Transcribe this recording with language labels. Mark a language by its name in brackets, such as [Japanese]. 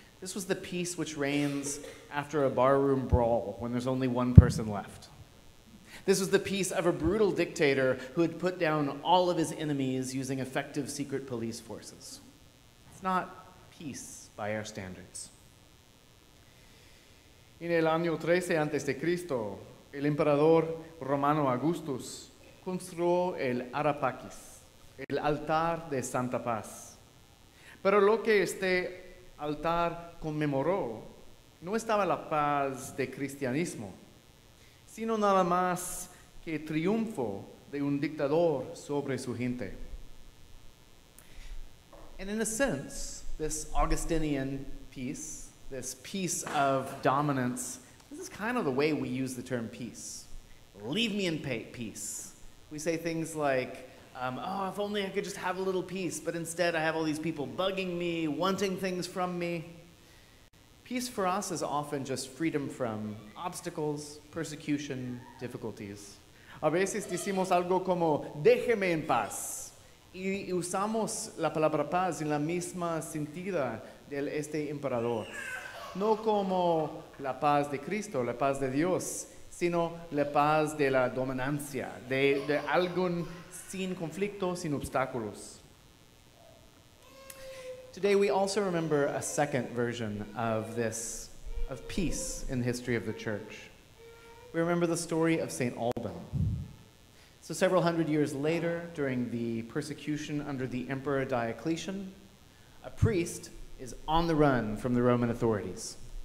[English] This was the peace which reigns after a barroom brawl when there's only one person left. This was the peace of a brutal dictator who had put down all of his enemies using effective secret police forces. It's not peace by our standards. [Spanish] En el año 13 antes de Cristo, el emperador romano Augustus construyó el Areopagus, el altar de Santa Paz. Pero lo que este altar conmemoró no estaba la paz de cristianismo, sino nada más que triunfo de un dictador sobre su gente. [English] And in a sense, this Augustinian peace, this peace of dominance, this is kind of the way we use the term peace. Leave me in peace. We say things like, oh, if only I could just have a little peace, but instead I have all these people bugging me, wanting things from me. Peace for us is often just freedom from obstacles, persecution, difficulties. [Spanish] A veces decimos algo como, déjeme en paz. Y usamos la palabra paz en la misma sentida del este emperador. No como la paz de Cristo, la paz de Dios, sino la paz de la dominancia, de algún sin conflicto, sin obstáculos. [English] Today we also remember a second version of this, of peace in the history of the church. We remember the story of St. Alban. So several hundred years later, during the persecution under the Emperor Diocletian, a priest is on the run from the Roman authorities.